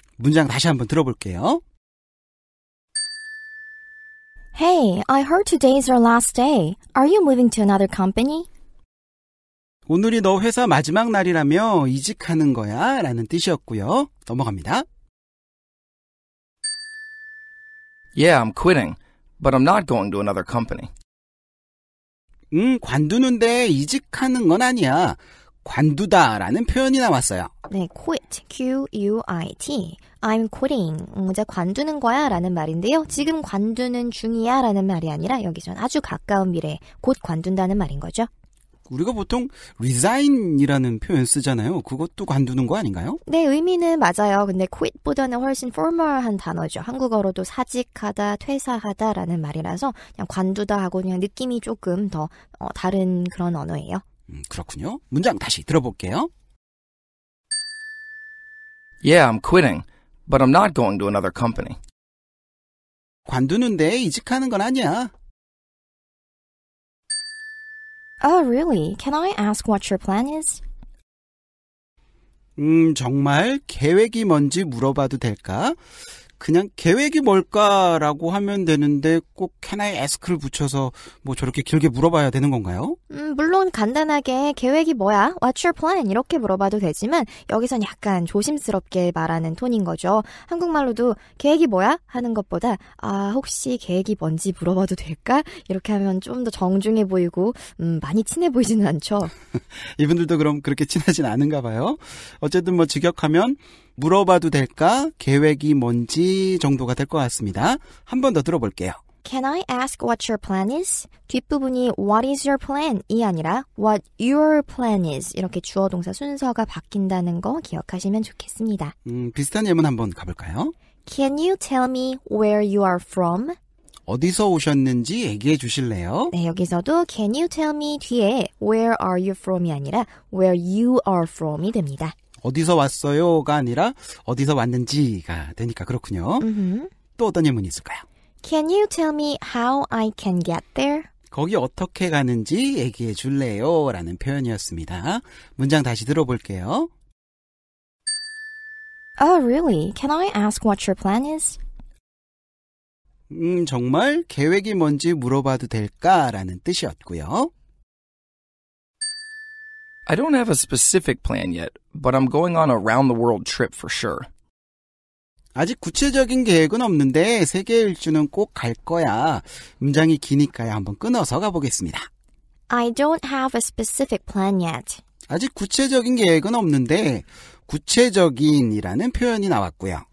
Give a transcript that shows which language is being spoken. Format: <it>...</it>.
<ko>문장 다시 한번 들어볼게요.</ko> <en>Hey, I heard today's your last day. Are you moving to another company?</en> <ko>오늘이 너 회사 마지막 날이라며 이직하는 거야? 라는 뜻이었고요. 넘어갑니다.</ko> <en>Yeah, I'm quitting, but I'm not going to another company.</en> <ko>관두는데 이직하는 건 아니야. 관두다 라는 표현이 나왔어요.</ko> <en>네, quit, Q-U-I-T. I'm quitting.</en> <ko>이제 관두는 거야 라는 말인데요. 지금 관두는 중이야 라는 말이 아니라 여기선 아주 가까운 미래에 곧 관둔다는 말인 거죠. 우리가 보통 resign이라는 표현 쓰잖아요. 그것도 관두는 거 아닌가요? 네, 의미는 맞아요. 근데 quit보다는 훨씬 formal한 단어죠. 한국어로도 사직하다, 퇴사하다라는 말이라서 그냥 관두다 하고 그냥 느낌이 조금 더 다른 그런 언어예요. 그렇군요. 문장 다시 들어볼게요.</ko> <en>Yeah, I'm quitting, but I'm not going to another company.</en> <ko>관두는데 이직하는 건 아니야.</ko> <en>Oh, really? Can I ask what your plan is?</en> <ko>정말 계획이 뭔지 물어봐도 될까? 그냥 계획이 뭘까라고 하면 되는데 꼭</ko> <en>can I ask</en> <ko>를 붙여서 뭐 저렇게 길게 물어봐야 되는 건가요? 물론 간단하게 계획이 뭐야?</ko> <en>What's your plan?</en> <ko>이렇게 물어봐도 되지만 여기선 약간 조심스럽게 말하는 톤인 거죠. 한국말로도 계획이 뭐야? 하는 것보다 아 혹시 계획이 뭔지 물어봐도 될까? 이렇게 하면 좀 더 정중해 보이고 많이 친해 보이지는 않죠. 이분들도 그럼 그렇게 친하진 않은가 봐요. 어쨌든 뭐 직역하면 물어봐도 될까? 계획이 뭔지 정도가 될 것 같습니다. 한 번 더 들어볼게요.</ko> <en>Can I ask what your plan is?</en> <ko>뒷부분이</ko> <en>what is your plan이 아니라 what your plan is</en> <ko>이렇게 주어 동사 순서가 바뀐다는 거 기억하시면 좋겠습니다. 비슷한 예문 한번 가볼까요?</ko> <en>Can you tell me where you are from?</en> <ko>어디서 오셨는지 얘기해 주실래요? 네, 여기서도</ko> <en>can you tell me</en> <ko>뒤에</ko> <en>where are you from</en> <ko>이 아니라</ko> <en>where you are from</en> <ko>이 됩니다. 어디서 왔어요가 아니라 어디서 왔는지가 되니까 그렇군요. Mm-hmm. 또 어떤 예문이 있을까요?</ko> <en>Can you tell me how I can get there?</en> <ko>거기 어떻게 가는지 얘기해 줄래요? 라는 표현이었습니다. 문장 다시 들어볼게요.</ko> <en>Oh, really? Can I ask what your plan is?</en> <ko>정말 계획이 뭔지 물어봐도 될까? 라는 뜻이었고요.</ko> <en>I don't have a specific plan yet, but I'm going on a round-the-world trip for sure.</en> <ko>아직 구체적인 계획은 없는데 세계 일주는 꼭 갈 거야. 문장이 기니까요. 한번 끊어서 가보겠습니다.</ko> <en>I don't have a specific plan yet.</en> <ko>아직 구체적인 계획은 없는데 구체적인이라는 표현이 나왔고요.</ko>